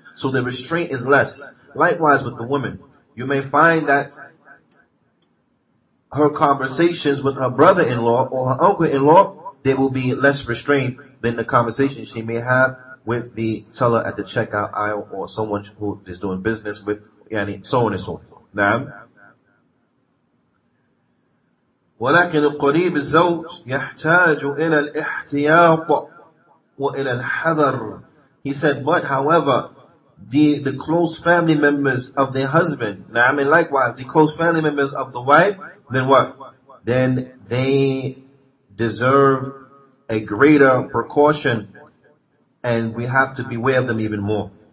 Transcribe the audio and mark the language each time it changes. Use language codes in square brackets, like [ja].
[en] So the restraint is less. Likewise with the woman. You may find that her conversations with her brother-in-law or her uncle-in-law, they will be less restrained than the conversation she may have with the teller at the checkout aisle or someone who is doing business with, yani, so on and so forth. [ar] Naam. ولكن قريب الزوج يحتاج إلى الاحتياط وإلى الحذر. [en] He said, but however, the close family members of the husband, now I mean likewise, the close family members of the wife, then what? Then they deserve a greater precaution and we have to beware of them even more.